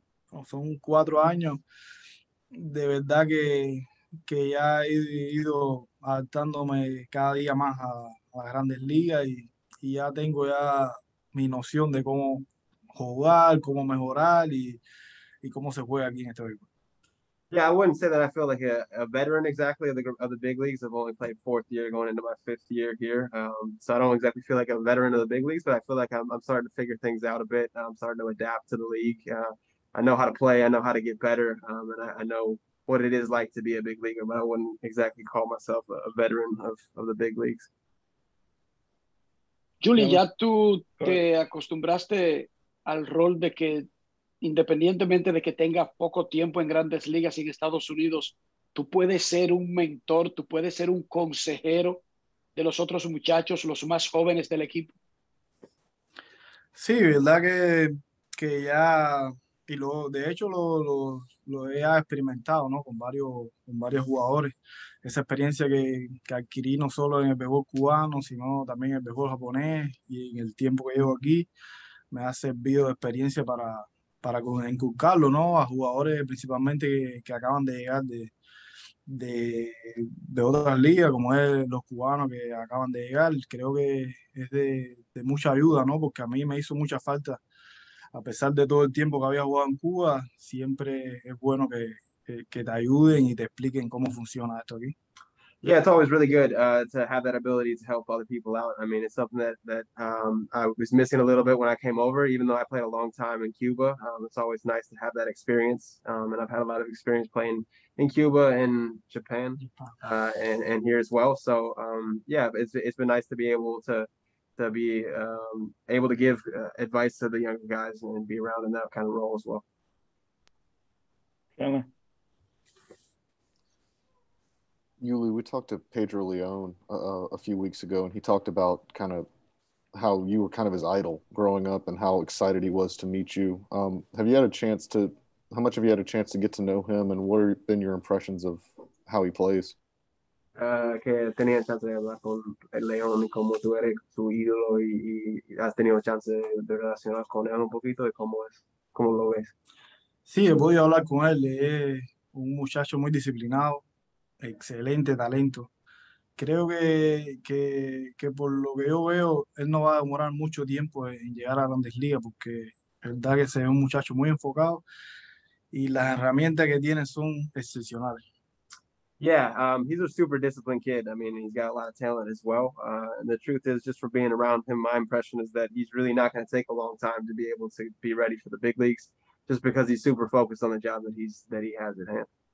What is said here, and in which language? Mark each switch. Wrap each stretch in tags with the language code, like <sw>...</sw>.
<es>bueno, son 4 años, de verdad que ya he ido adaptándome cada día más a las grandes ligas y ya tengo ya mi noción de cómo jugar, cómo mejorar y cómo se juega aquí en este equipo.</es> <en>Yeah, I wouldn't say that I feel like a veteran exactly of the big leagues. I've only played 4th year going into my 5th year here. So I don't exactly feel like a veteran of the big leagues, but I feel like I'm starting to figure things out a bit. I'm starting to adapt to the league. I know how to play. I know how to get better. And I know what it is like to be a big leaguer, but I wouldn't exactly call myself a veteran of the big leagues.</en> <es>Julie, ya tú te acostumbraste al rol de que, independientemente de que tengas poco tiempo en grandes ligas en Estados Unidos, tú puedes ser un mentor, tú puedes ser un consejero de los otros muchachos, los más jóvenes del equipo. Sí, verdad que ya... Y de hecho lo he experimentado, ¿no? con varios jugadores. Esa experiencia que adquirí no solo en el béisbol cubano, sino también en el béisbol japonés y en el tiempo que llevo aquí, me ha servido de experiencia para inculcarlo, ¿no? A jugadores principalmente que acaban de llegar de otras ligas, como es los cubanos que acaban de llegar. Creo que es de mucha ayuda, ¿no? Porque a mí me hizo mucha falta. A pesar de todo el tiempo que había jugado en Cuba, siempre es bueno que te ayuden y te expliquen cómo funciona esto aquí.</es> <en>Yeah, it's always really good to have that ability to help other people out. I mean, it's something that I was missing a little bit when I came over, even though I played a long time in Cuba. It's always nice to have that experience. And I've had a lot of experience playing in Cuba and Japan and here as well. So, yeah, it's been nice to be able to be able to give advice to the younger guys and be around in that kind of role as well. Chandler. Yuli, we talked to Pedro Leon a few weeks ago, and he talked about kind of how you were kind of his idol growing up and how excited he was to meet you. How much have you had a chance to get to know him, and what have been your impressions of how he plays?</en> <es>Que tenía chance de hablar con el León y cómo tú eres su ídolo y has tenido chance de relacionar con él un poquito y cómo es, cómo lo ves. Sí, he podido hablar con él. Es un muchacho muy disciplinado, excelente talento. Creo que por lo que yo veo, él no va a demorar mucho tiempo en llegar a Grandes Ligas porque es verdad que es un muchacho muy enfocado y las herramientas que tiene son excepcionales.</es> <en>Yeah, he's a super disciplined kid. I mean, he's got a lot of talent as well. And the truth is, just from being around him, my impression is that he's really not going to take a long time to be able to be ready for the big leagues, just because he's super focused on the job that he has at hand.</en>